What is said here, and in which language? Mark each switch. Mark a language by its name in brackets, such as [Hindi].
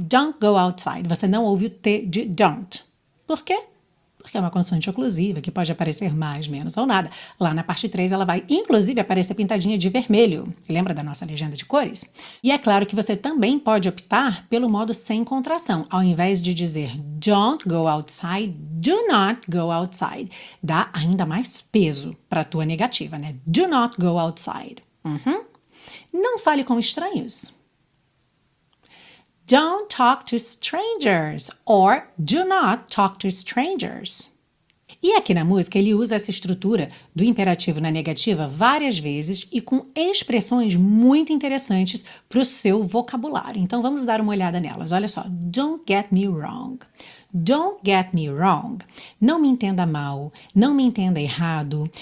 [English] Don't go outside. [Portuguese] Você não ouve o T de don't. Por quê? Porque é uma consoante oclusiva que pode aparecer mais, menos ou nada. Lá na parte 3 ela vai inclusive aparecer pintadinha de vermelho. Lembra da nossa legenda de cores? E é claro que você também pode optar pelo modo sem contração. Ao invés de dizer [English] don't go outside, do not go outside. [Portuguese] Dá ainda mais peso para a tua negativa, né? [English] Do not go outside. [Portuguese] Não fale com estranhos. [English] Don't talk to strangers or do not talk to strangers. [Portuguese] E aqui na música ele usa essa estrutura do imperativo na negativa várias vezes e com expressões muito interessantes para o seu vocabulário. Então vamos dar uma olhada nelas. Olha só. [English] Don't get me wrong. Don't get me wrong. [Portuguese] Não me entenda mal. Não me entenda errado.